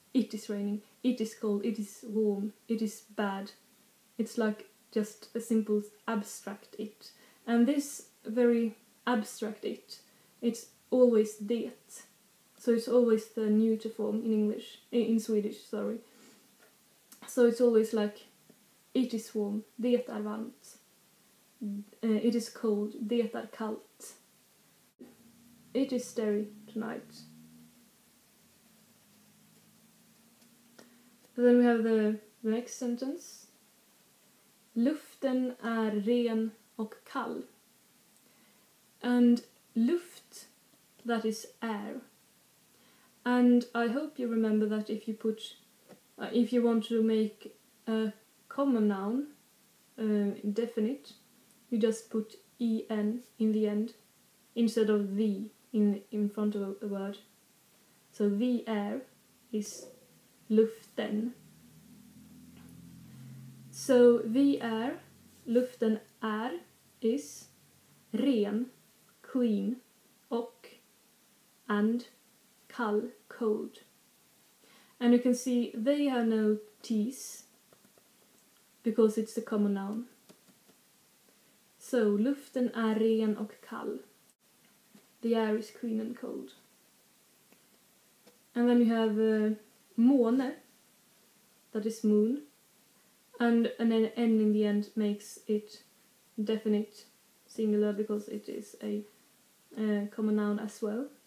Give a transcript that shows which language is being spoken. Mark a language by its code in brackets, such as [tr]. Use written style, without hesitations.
[en] It is raining, it is cold, it is warm, it is bad. It's like just a simple abstract it. And this very abstract it, it's always det. So it's always the neuter form in English, in Swedish, sorry. So it's always like, it is warm, [sv] det är varmt. [en] It is cold, [sv] det är kallt. [en] It is starry tonight. And then we have the next sentence. [sv] Luften är ren och kall. [en] And luft, that is air. And I hope you remember that if you put, if you want to make a common noun, definite, you just put en in the end, instead of the in front of a word. So the air is luften. [sv] So, vi är, luften är, [en] is, [sv] ren, [en] clean, [sv] och, [en] and, [sv] kall, [en] cold. And you can see they have no T's because it's the common noun. [sv] So, luften är ren och kall. [en] The air is clean and cold. And then you have måne, that is moon. And then n in the end makes it definite singular because it is a common noun as well.